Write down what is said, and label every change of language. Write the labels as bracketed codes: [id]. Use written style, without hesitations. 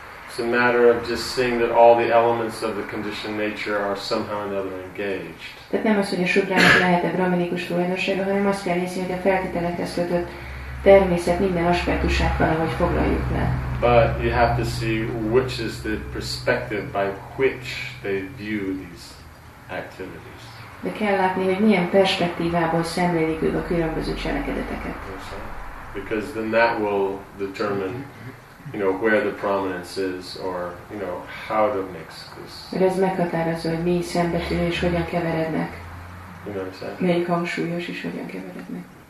[en] It's a matter of just seeing that all the elements of the conditioned nature are somehow or another engaged. [hu] Tehát nem az, hogy a Shudrának lehet-e Brahminical tulajdonsága, hanem azt kell nézni, hogy a feltételekhez kötött természet minden aspektusát valahogy foglaljuk le. [en] But you have to see which is the perspective by which they view these activities. [hu] De kell látni, hogy milyen perspektívából szemlélik ők a különböző cselekedeteket. [en] Because then that will determine, you know, where the prominence is, or you know, how to mix this. [hu] Mert ez meghatározza, hogy mi szembetűnő és hogyan keverednek. [en] You know what I'm saying? [hu] Melyik hangsúlyos és hogyan keverednek.